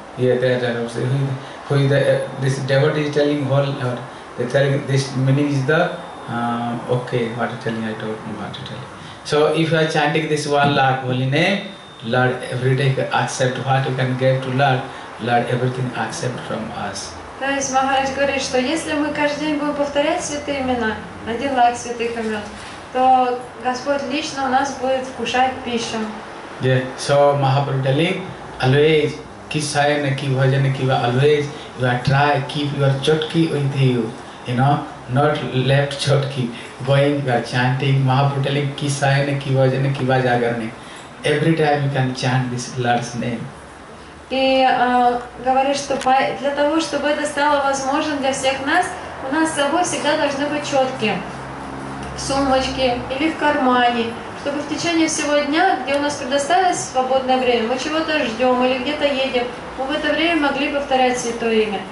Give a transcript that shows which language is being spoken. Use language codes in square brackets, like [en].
[en] Yeah, that also. This devotee is telling whole, they telling this meaning is the, I don't know what to tell you. So if you are chanting this 1 lakh holy name, Lord, every day accept what you can give to Lord. Lord, everything accept from us. [ru] То есть Махарадж говорит, что если мы каждый день будем повторять святые имена, 1 лакх святых имен, то Господь лично у нас будет вкушать пищу. [en] Yeah, so Mahaprabhu telling, always, kisayana ki bhajana ki va, always, you are try, keep your chotki with you, you know, not left chotki, going, you are chanting, Mahaprabhu telling, kisayana ki bhajana ki va jagarne. Every time you can chant this Lord's name. [ru] И говорит, что для того, чтобы это стало возможным для всех нас, у нас с собой всегда должны быть четки в сумочке или в кармане, чтобы в течение всего дня, где у нас предоставилось свободное время, мы чего-то ждем или где-то едем, мы в это время могли повторять святое имя.